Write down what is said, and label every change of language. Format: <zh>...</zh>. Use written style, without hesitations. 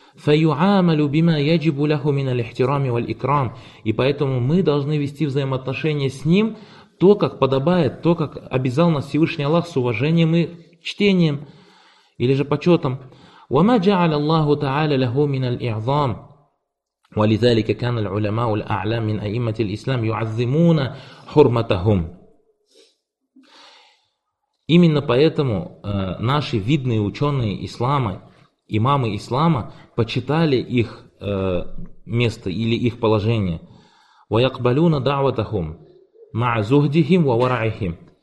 <ar>«Фаюамалю бима яджибу ляху мин аль-ихтирами валь-икрам»</ar> <ru>и поэтому мы должны вести взаимоотношения с ним то, как подобает, то, как обязал нас Всевышний Аллах с уважением и чтением или же почетом.</ru> <ar>«Вама джааля Аллаху тааля ляху мин аль-иъзам». ولذلك كان العلماء الأعلام من أئمة الإسلام يعظمون حرمتهم.</ar> <ru>Именно поэтому наши видные ученые ислама, имамы ислама, почитали их место или их положение.</ru> <ar>وَيَقْبَلُونَ دَعْوَتَهُمْ مَعَ زُهْدِهِمْ وَوَرَعِهِمْ.</ar>